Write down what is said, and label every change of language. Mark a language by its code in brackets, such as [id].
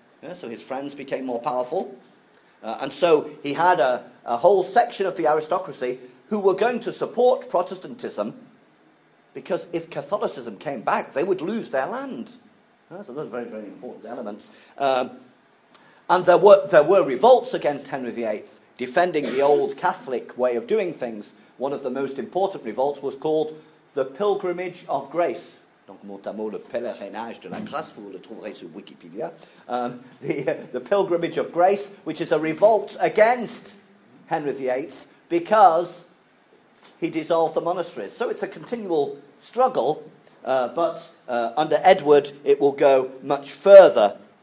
[en] Yeah, so his friends became more powerful. And so he had a whole section of the aristocracy who were going to support Protestantism, because if Catholicism came back, they would lose their land. So those are very, very important elements. And there were revolts against Henry VIII, defending the old Catholic way of doing things. One of the most important revolts was called the Pilgrimage of Grace. [fr] Donc, mot à mot, le pèlerinage de la grâce, vous le trouverez sur Wikipedia. [en] The Pilgrimage of Grace, which is a revolt against Henry VIII because he dissolved the monasteries. So it's a continual struggle, but under Edward, it will go much further.